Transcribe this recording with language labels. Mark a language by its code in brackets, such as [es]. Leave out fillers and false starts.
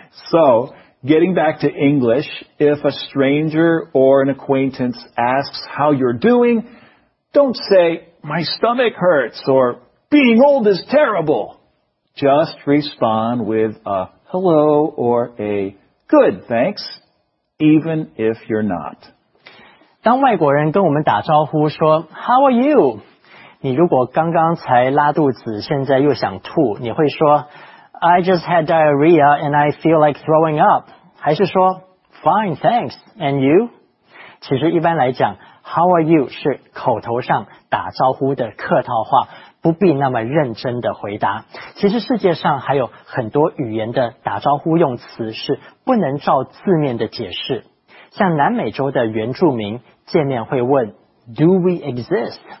[en] So, getting back to English, if a stranger or an acquaintance asks how you're doing, don't say, "My stomach hurts," or "Being old is terrible." Just respond with a "hello" or a "good, thanks," even if you're not. [zh] 当外国人跟我们打招呼说 [en] "How are you?" [zh] 你如果刚刚才拉肚子，现在又想吐，你会说 [en] "I just had diarrhea and I feel like throwing up." 还是说 "Fine, thanks. And you?" [zh] 其实一般来讲 [en] "How are you?" [zh] 是口头上打招呼的客套话，不必那么认真的回答。其实世界上还有很多语言的打招呼用词是不能照字面的解释。像南美洲的原住民见面会问 [en] "Do we exist?"